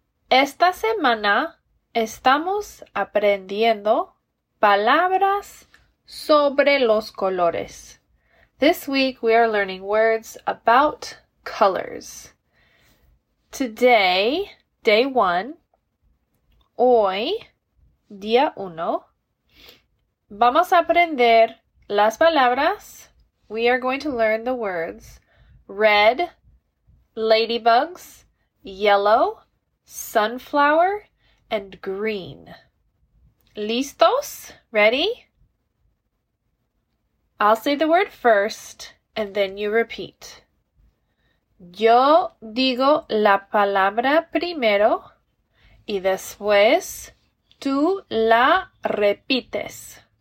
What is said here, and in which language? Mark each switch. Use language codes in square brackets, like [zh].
[es] Esta semana estamos aprendiendo palabras sobre los colores. [en] This week we are learning words about colors. Today, day one, [es] hoy, día uno, vamos a aprender las palabras. [en] We are going to learn the words. Red, ladybugs, yellow, sunflower, and green. [es] ¿Listos? [en] Ready? I'll say the word first, and then you repeat. [es] Yo digo la palabra primero, y después tú la repites.